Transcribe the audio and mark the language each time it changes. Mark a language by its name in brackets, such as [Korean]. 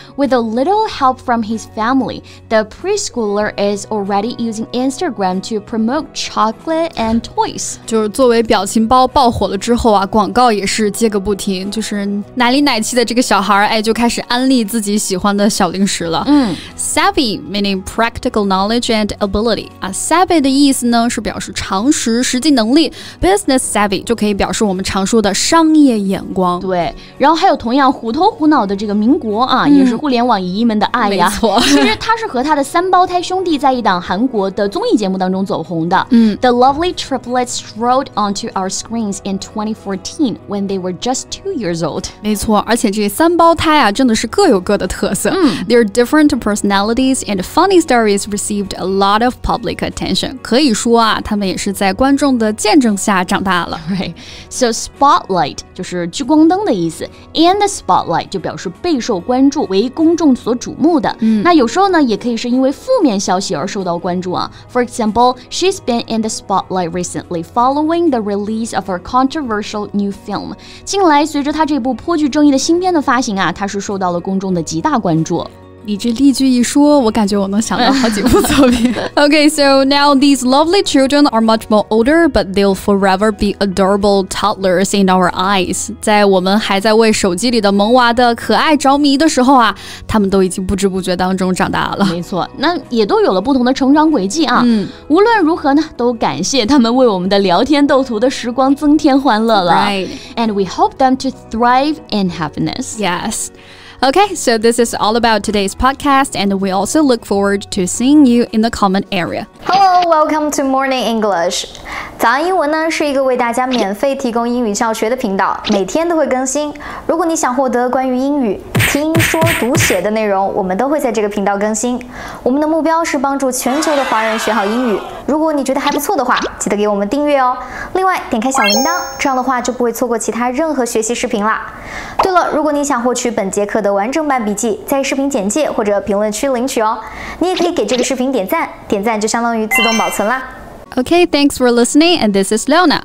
[English] With a little help from his family, the preschooler is already using Instagram to promote chocolate and toys. [Chinese] 就是作为表情包爆火了之后啊，广告也是接个不停，就是奶里奶气的这个小孩，哎，就开始安利自己喜欢的小零食了。 [English] Savvy meaning practical knowledge and ability. [Chinese] Savvy 的意思呢是表示常识、实际能力。 Business savvy 就可以表示我们常说的商业眼光。对，然后还有同样虎头虎脑的这个民国啊，也是互联网姨们的爱呀。没错，其实他是和他的三胞胎兄弟在一档韩国的综艺节目当中走红的。 [English] The lovely triplets strolled onto our screens in 2014 when they were just 2 years old. [Chinese] 没错，而且这三胞胎啊，真的是各有各的特色。 [English] Their different personalities and funny stories received a lot of public attention. [Chinese] 可以说啊，他们也是在观众的见证下长大了。 [English] Right. So [Chinese] spotlight 就是聚光灯的意思 ，and the spotlight 就表示备受关注，为公众所瞩目的。那有时候呢，也可以是因为负面消息而受到关注啊。 [English] For example, she's been in the spotlight recently following the release of her controversial new film. [Chinese] 近来随着她这部颇具争议的新片的发行啊，她是受到了公众的极大关注。你这例句一说，我感觉我能想到好几部作品。 [English] Okay, so now these lovely children are much more older, but they'll forever be adorable toddlers in our eyes. [Chinese] 在我们还在为手机里的萌娃的可爱着迷的时候啊，他们都已经不知不觉当中长大了。没错，那也都有了不同的成长轨迹啊。无论如何呢，都感谢他们为我们的聊天斗图的时光增添欢乐了。 [English] Right. And we hope them to thrive in happiness. Yes. Okay, so this is all about today's podcast, and we also look forward to seeing you in the comment area. Hello, welcome to Morning English. [Chinese] 早安英文呢，是一个为大家免费提供英语教学的频道，每天都会更新。如果你想获得关于英语听说读写的内容，我们都会在这个频道更新。我们的目标是帮助全球的华人学好英语。如果你觉得还不错的话，记得给我们订阅哦。另外，点开小铃铛，这样的话就不会错过其他任何学习视频啦。对了，如果你想获取本节课的完整版笔记，在视频简介或者评论区领取哦。你也可以给这个视频点赞，点赞就相当于自动保存啦。 [English] Okay, thanks for listening, and this is Leona.